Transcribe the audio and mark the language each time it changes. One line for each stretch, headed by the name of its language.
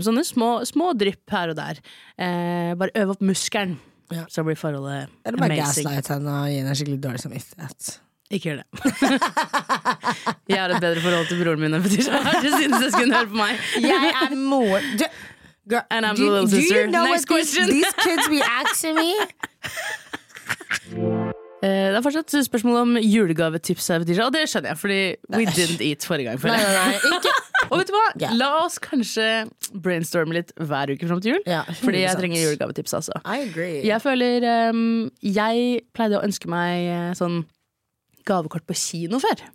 Norwegian: Sånne små drypp her og der. Bare øve opp muskelen, så blir forholdet amazing. Eller bare gaslight henne og gi henne skikkelig dårlig samvittighet. Ikke gjør det. Jeg har et bedre forhold til broren min enn Fetisha. Jeg synes jeg skulle høre på meg. Jeg er mor.
English: And I'm the little sister. Do you know what these kids be asking me?
Norwegian: Det er fortsatt spørsmål om julegavetips her, Fetisha. Og det skjønner jeg, fordi
English: we didn't eat
Norwegian: forrige gang. Nei, nei, nei. Ikke... Og vet du hva? Yeah. La oss kanskje brainstorme litt hver uke frem til jul.
English: Yeah,
Norwegian: fordi jeg trenger julegavetips altså.
English: I agree.
Norwegian: Jeg føler, jeg pleide å ønske meg sånn gavekort på kino før.